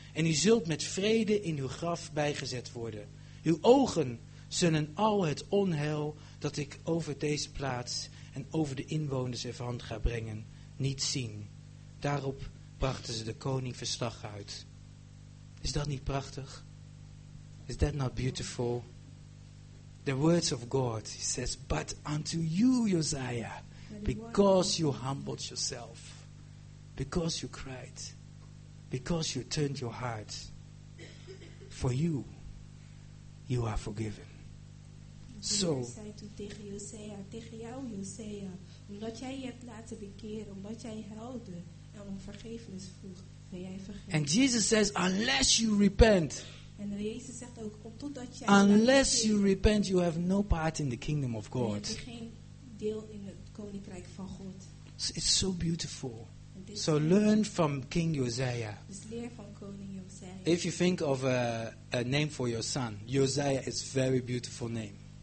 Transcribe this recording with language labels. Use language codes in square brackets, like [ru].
[nl] En u zult met vrede in uw graf bijgezet worden. Uw ogen zullen al het onheil dat ik over deze plaats en over de inwoners ervan ga brengen, niet zien. Daarop brachten ze de koning verslag uit. Is dat niet prachtig? [en] Is that not beautiful? The words of God, he says, but unto you, Uzziah, because you humbled yourself, because you cried, because you turned your heart, for you, you are forgiven. [nl] So, zei toen tegen Uzziah, tegen jou, Uzziah, omdat jij je hebt laten bekeren, omdat jij huilde en om vergeving vroeg. [en] And Jesus says, unless you repent, [nl] En de Jezus zegt ook, op totdat jij [en] unless you repent, you have no part in the kingdom of God. [nl] Je hebt geen deel in het koninkrijk van God. [en] It's so beautiful. So learn from King Uzziah. [nl] Dus leer van koning Uzziah. [en] If you think of a name for your son, Uzziah is a very beautiful name.